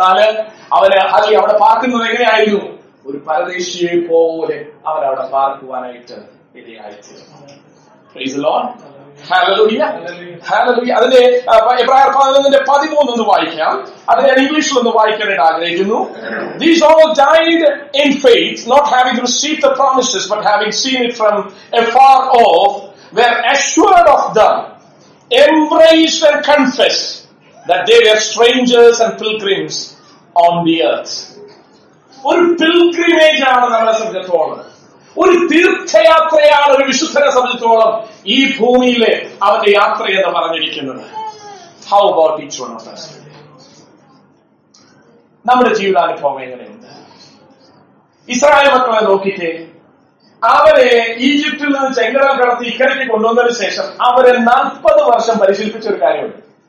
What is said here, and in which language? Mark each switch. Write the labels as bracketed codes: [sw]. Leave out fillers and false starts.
[ml] എന്നാല് അവന് ഹല്ലിയ അവിടെ പാർക്കുന്നത് എങ്ങനെയായിരുന്നു? ഒരു പരദേശിയെ പോലെ അവരവിടെ പാർക്കുവാനായിട്ട് അതിന്റെ എബ്രഹാം പതിനൊന്നിന്റെ 13 ഒന്ന് വായിക്കാം. അത് ഞാൻ ഇംഗ്ലീഷിൽ ഒന്ന് വായിക്കാനായിട്ട് ആഗ്രഹിക്കുന്നു. [en] These all died in faith, not having received the promises, but having seen it from afar off, were assured of them, embraced and confessed that they were strangers and pilgrims on the earth. [ml] ഒരു pilgrimage ആണ് നമ്മളെ സംബന്ധിച്ചോളം, ഒരു തീർത്ഥയാത്രയാണ് ഒരു വിശുദ്ധനെ സംബന്ധിച്ചോളം ഈ ഭൂമിയിലെ അവന്റെ യാത്ര എന്ന് പറഞ്ഞിരിക്കുന്നത്. [en] How about each one of us? [ml] നമ്മുടെ ജീവിതാനുഭവം എങ്ങനെയുണ്ട്? ഇസ്രായേൽ മക്കളെ നോക്കിക്കേ, അവരെ ഈജിപ്തിൽ നിന്ന് ചെങ്കടം കടത്തി ഇക്കരയ്ക്ക് കൊണ്ടുവന്നതിന് ശേഷം അവരെ 40 വർഷം പരിശീലിപ്പിച്ച ഒരു കാര്യമുണ്ട്.